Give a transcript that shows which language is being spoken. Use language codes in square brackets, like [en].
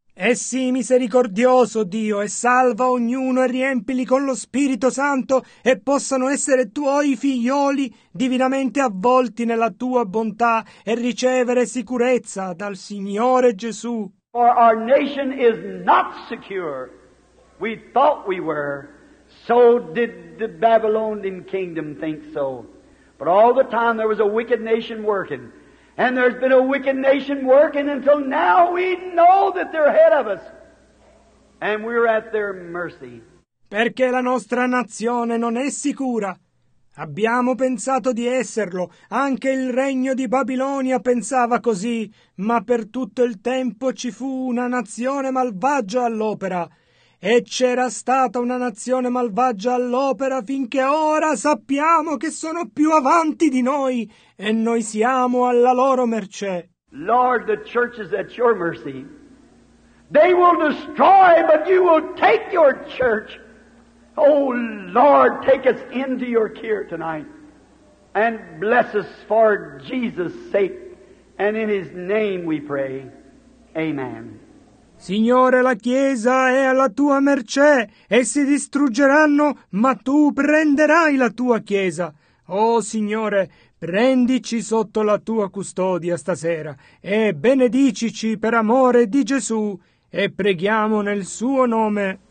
[it] E sii misericordioso, Dio, e salva ognuno e riempili con lo Spirito Santo e possano essere tuoi figlioli divinamente avvolti nella tua bontà e ricevere sicurezza dal Signore Gesù. [en] For our nation is not secure. We thought we were. So did the Babylonian kingdom think so. But all the time there was a wicked nation working. And there's been a wicked nation working until now we know that they're ahead of us. And we're at their mercy. [it] Perché la nostra nazione non è sicura. Abbiamo pensato di esserlo, anche il regno di Babilonia pensava così, ma per tutto il tempo ci fu una nazione malvagia all'opera, e c'era stata una nazione malvagia all'opera finché ora sappiamo che sono più avanti di noi, e noi siamo alla loro mercé. [en] Lord, the church is at your mercy. They will destroy, but you will take your church. Oh, Lord, take us into your care tonight and bless us for Jesus' sake. And in his name we pray. Amen. [it] Signore, la Chiesa è alla tua mercé. Essi distruggeranno, ma tu prenderai la tua Chiesa. Oh, Signore, prendici sotto la tua custodia stasera e benedicici per amore di Gesù e preghiamo nel suo nome.